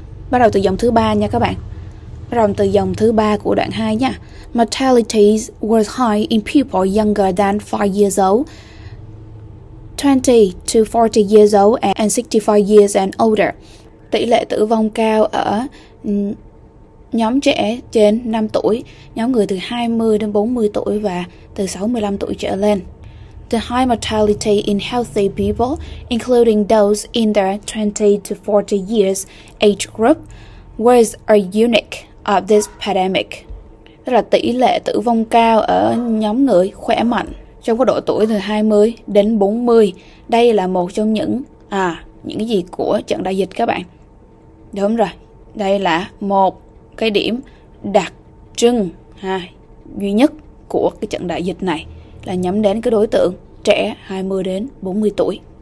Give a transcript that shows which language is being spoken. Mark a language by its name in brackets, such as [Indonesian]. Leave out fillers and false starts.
[Vietnamese] Bắt đầu từ dòng thứ ba nha các bạn. Bắt đầu từ dòng thứ ba của đoạn 2 nha. [English] Mortality was high in people younger than 5 years old, 20 to 40 years old and 65 years and older. [Vietnamese] Tỷ lệ tử vong cao ở nhóm trẻ trên 5 tuổi, nhóm người từ 20 đến 40 tuổi và từ 65 tuổi trở lên. [English] The high mortality in healthy people, including those in their 20 to 40 years age group, was a unique of this pandemic. [Vietnamese] Tức là tỷ lệ tử vong cao ở nhóm người khỏe mạnh trong cái độ tuổi từ 20 đến 40. Đây là một trong những gì của trận đại dịch các bạn. Đúng rồi, đây là một cái điểm đặc trưng duy nhất của cái trận đại dịch này, là nhắm đến cái đối tượng trẻ 20 đến 40 tuổi.